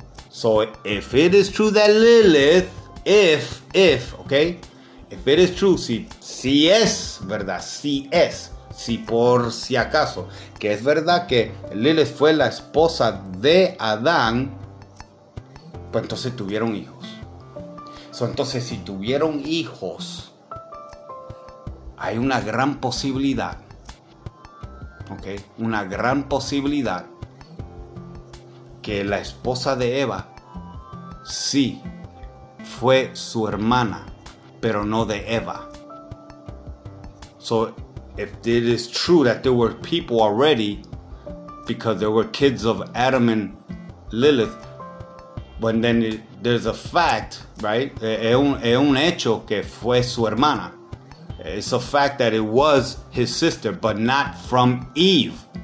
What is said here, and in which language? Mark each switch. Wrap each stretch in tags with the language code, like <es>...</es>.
<en>So if it is true that Lilith, if, okay? If it is true,</en> <es>si es verdad, si es, si por si acaso, que es verdad que Lilith fue la esposa de Adán, pues entonces tuvieron hijos. So entonces si tuvieron hijos, hay una gran posibilidad, ok, una gran posibilidad que la esposa de Eva sí fue su hermana, pero no de Eva.</es> <en>So, if it is true that there were people already, because there were kids of Adam and Lilith, but then there's a fact, right,</en> <es>es un hecho que fue su hermana.</es> <en>It's a fact that it was his sister, but not from Eve.</en>